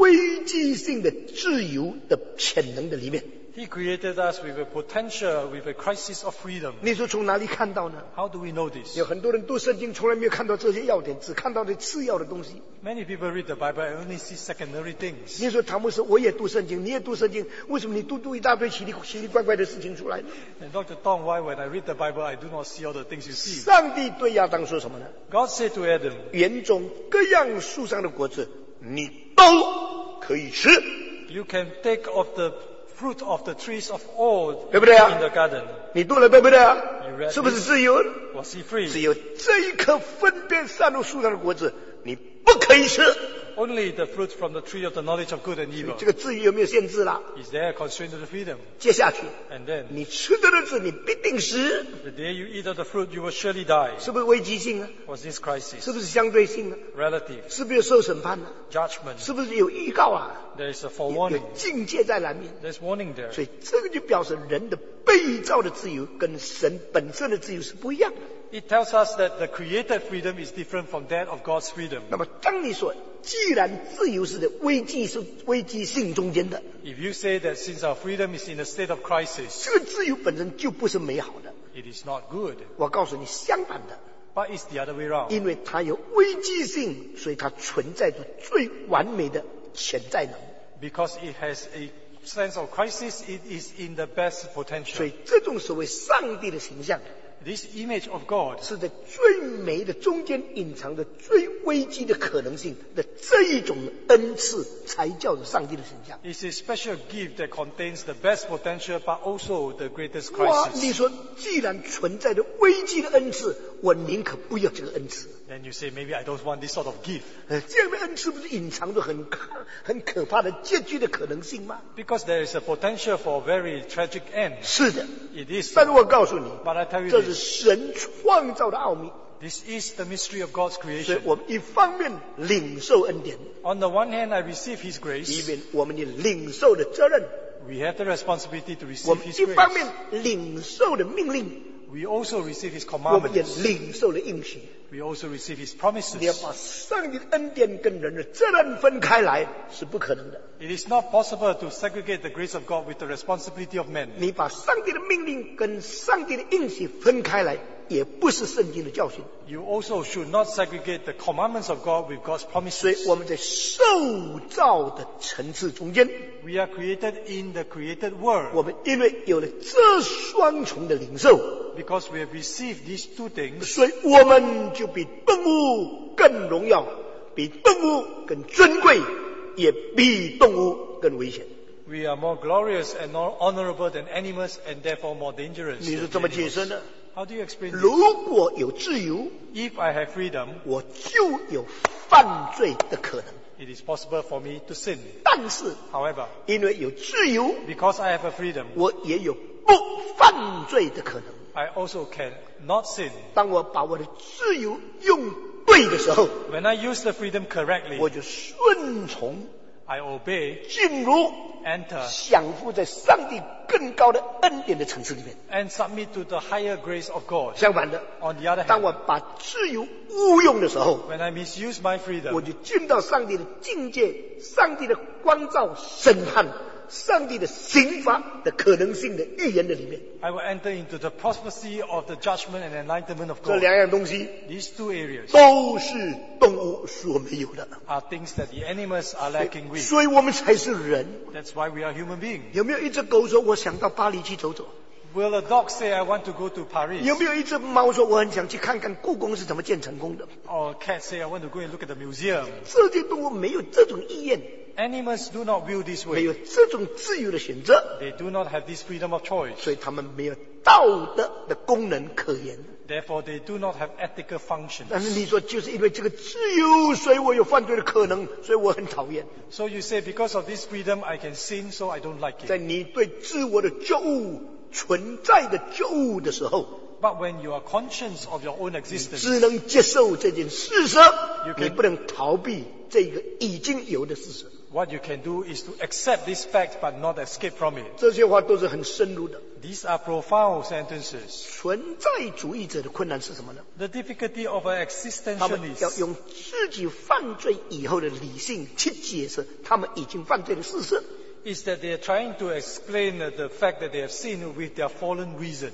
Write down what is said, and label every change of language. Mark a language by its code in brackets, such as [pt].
[zh] 他把人造在一个有危机性的自由的潜能的里面。 [en] He created us with a potential, with a crisis of freedom. [zh] 你说从哪里看到呢? [en] How do we know this? [zh] 有很多人读圣经从来没有看到这些要点，只看到这次要的东西。 [en] Many people read the Bible and only see secondary things. [zh] 你说唐牧师，我也读圣经，你也读圣经，为什么你读一大堆奇里怪怪的事情出来呢？ [en] And Dr. Tong, why when I read the Bible, I do not see all the things you see? [zh] 上帝对亚当说什么呢? [en] God said to Adam, [zh] 园中各样树上的果子，你都可以吃。 [en] You can take of the fruit of the trees of all, [zh] 对不对啊? [en] In the garden. [zh] 你读了对不对啊? [en] You read [zh] 是不是自由? [en] Was he free? [zh] 只有这一颗分辨善恶树上的果子, 不可以吃。 [en] Only the fruit from the tree of the knowledge of good and evil. [zh] 这个自由有没有限制啦? [en] Is there a constraint to the freedom? [zh] 接下去, [en] and then, [zh] 你吃的日子, 你必定死。 [en] The day you eat of the fruit, you will surely die. [zh] 是不是危机性啊? [en] Was this crisis? [zh] 是不是相对性啊? [en] Relative. [zh] 是不是有受审判啊? [en] Judgment. [zh] 是不是有预告啊? [en] There is a forewarning. [zh] 有警戒在南面。 [en] There's warning there. [zh] 所以这个就表示人的被造的自由跟神本身的自由是不一样的。 [en] It tells us that the created freedom is different from that of God's freedom. [zh] 那么当你说既然自由是在危机性中间的, [en] if you say that since our freedom is in a state of crisis, [zh] 这个自由本身就不是美好的, [en] it is not good. [zh] 我告诉你相反的, [en] but it's the other way around. [zh] 因为它有危机性, 所以它存在着最完美的潜在能。 [en] Because it has a sense of crisis, it is in the best potential. [zh] 所以这种所谓上帝的形象, [en] this image of God, [zh] 是在最美的中间隐藏着最危机的可能性的这一种恩赐才叫做上帝的形象。 [en] It's a special gift that contains the best potential but also the greatest crisis. [zh] 你说既然存在着危机的恩赐，我宁可不要这个恩赐。 [en] Then you say, maybe I don't want this sort of gift. [zh] 这样的恩赐不是隐藏着很可怕的结局的可能性吗? [en] Because there is a potential for a very tragic end. [zh] 是的, [en] it is. [zh] 但是我告诉你, [en] but I tell you, [zh] 这是神创造的奥秘。 [en] This is the mystery of God's creation. [zh] 所以我们一方面领受恩典, [en] on the one hand, I receive His grace. [zh] 一边我们也领受的责任, [en] we have the responsibility to receive [zh] 我们一方面, [en] His grace. [zh] 我们一方面领受的命令, [en] we also receive His commandments. [zh] 我们也领受了应许, [en] we also receive His promises. [zh] 你要把上帝的恩典跟人的责任分开来, 是不可能的。 [en] It is not possible to segregate the grace of God with the responsibility of men. [zh] 你把上帝的命令跟上帝的应许分开来, 也不是圣经的教训。 [en] You also should not segregate the commandments of God with God's promises. [zh] 所以我们在受造的层次中间, [en] we are created in the created world. [zh] 我们因为有了这双重的领受, [en] because we have received these two things, [zh] 所以我们就比动物更荣耀, 比动物更尊贵, 也比动物更危险。 [en] We are more glorious and more honorable than animals and therefore more dangerous. [zh] 你是这么解释的？ [en] How do you explain this? [zh] 如果有自由 [en] If I have freedom, [zh] 我就有犯罪的可能。 [en] It is possible for me to sin. [zh] 但是 [en] However, [zh] 因为有自由 [en] Because I have a freedom, [zh] 我也有不犯罪的可能。 [en] I also can not sin. [zh] 当我把我的自由用对的时候 [en] When I use the freedom correctly, [zh] 我就顺从 [en] I obey, [zh] 进入 [en] enter, [zh] 享福在上帝更高的恩典的层次里面 [en] and submit to the higher grace of God. [zh] 相反的 [en] On the other hand, [zh] 当我把自由误用的时候 [en] When I misuse my freedom, [zh] 我就进到上帝的境界上帝的光照审判上帝的刑罚的可能性的预言的里面 [en] I will enter into the prophecy of the judgment and enlightenment of God [zh] 这两样东西 [en] These two areas [zh] 都是动物所没有的 [en] are things that the animals are lacking with [zh] 所以我们才是人 [en] That's why we are human beings [zh] 有没有一只狗说我想到巴黎去走走 [en] Will a dog say I want to go to Paris [zh] 有没有一只猫说我很想去看看故宫是怎么建成功的 [en] Or a cat say I want to go and look at the museum [zh] 这些动物没有这种意愿 [en] Animals do not will this way. [zh] 没有这种自由的选择。 [en] They do not have this freedom of choice. [zh] 所以他们没有道德的功能可言。 [en] Therefore, they do not have ethical functions. [zh] 但是你说就是因为这个自由，所以我有犯罪的可能，所以我很讨厌。 [en] So you say because of this freedom, I can sin, so I don't like it. [zh] 在你对自我的觉悟、存在的觉悟的时候。 [en] But when you are conscious of your own existence, [zh] 你只能接受这件事实， [en] you can, [zh] 你不能逃避这个已经有的事实。 [en] What you can do is to accept this fact but not escape from it. [zh] 这些话都是很深入的。 [en] These are profound sentences. [zh] 存在主义者的困难是什么呢？ [en] The difficulty of an existentialist. [zh] 他们要用自己犯罪以后的理性去解释他们已经犯罪的事实。 [en] Is that they are trying to explain the fact that they have sinned with their fallen reason.